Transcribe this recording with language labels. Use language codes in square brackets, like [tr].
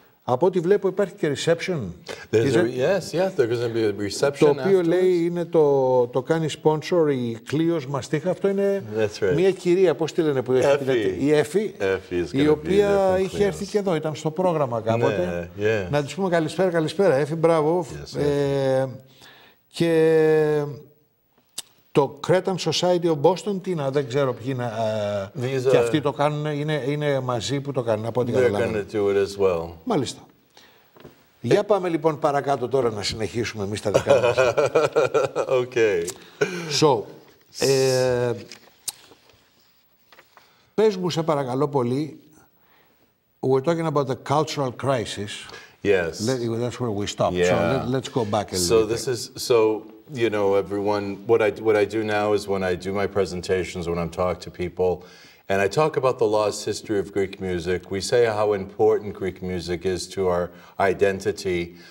[el] Από ό,τι βλέπω υπάρχει και reception. [en] Yes, yeah, there's going to be a reception. [el] Το οποίο [en] afterwards. [el] Λέει είναι το κάνει sponsor η Κλίος Μαστίχα. Αυτό είναι [en] right. [el] μια κυρία, πώς τη λένε, που [en] Effie. [el] Έχει, η Έφη, η οποία είχε έρθει και εδώ, ήταν στο πρόγραμμα κάποτε. [en] Yeah, yeah. [el] Να της πούμε καλησπέρα, καλησπέρα, Έφη, μπράβο. [en] Yes, [el] και το Cretan Society of Boston, τι να, δεν ξέρω ποιοι είναι, και αυτοί το κάνουν, είναι μαζί που το κάνουν, από ό,τι καταλάβαμε. Μάλιστα. Για πάμε λοιπόν παρακάτω τώρα να συνεχίσουμε εμείς τα δικά μας. [en] Okay. So, [el] πες μου σε παρακαλώ πολύ, [en] we're talking about the cultural crisis. Yes. That's where we stopped. Yeah. So let's go back a little so bit. So this is, so, you know, everyone, what I do now is when I do my presentations, when I talk to people, and I talk about the lost history of Greek music, we say how important Greek music is to our identity.